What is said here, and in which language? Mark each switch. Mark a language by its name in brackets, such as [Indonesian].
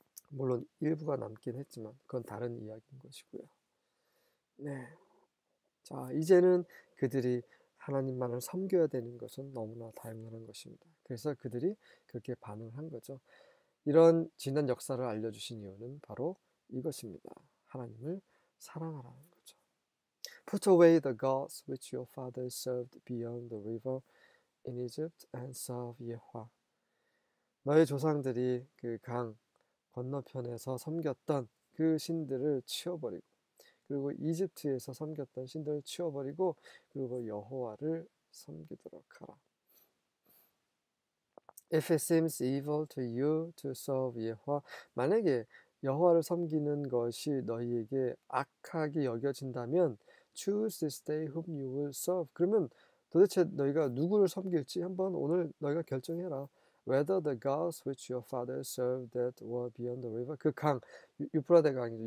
[Korean] 물론 일부가 남긴 했지만 그건 다른 이야기인 것이고요. 네. 자, 이제는 그들이 하나님만을 섬겨야 되는 것은 너무나 당연한 것입니다. 그래서 그들이 그렇게 반응을 한 거죠. 이런 지난 역사를 알려주신 이유는 바로 이것입니다. 하나님을 사랑하라는 거죠. [English] Put away the gods which your fathers served beyond the river in Egypt and serve Yahweh. [Korean] 너의 조상들이 그강 건너편에서 섬겼던 그 신들을 치워버리고, 그리고 이집트에서 섬겼던 신들을 치워버리고, 그리고 여호와를 섬기도록 하라. [English] If it seems evil to you to serve Yehovah, [Korean] 만약에 여호와를 섬기는 것이 너희에게 악하게 여겨진다면, [English] choose this day whom you will serve. [Korean] 그러면 도대체 너희가 누구를 섬길지 한번 오늘 너희가 결정해라. [English] Whether the gods which your father served that were beyond the river, [Korean] 그 강, 유프라데 강이죠.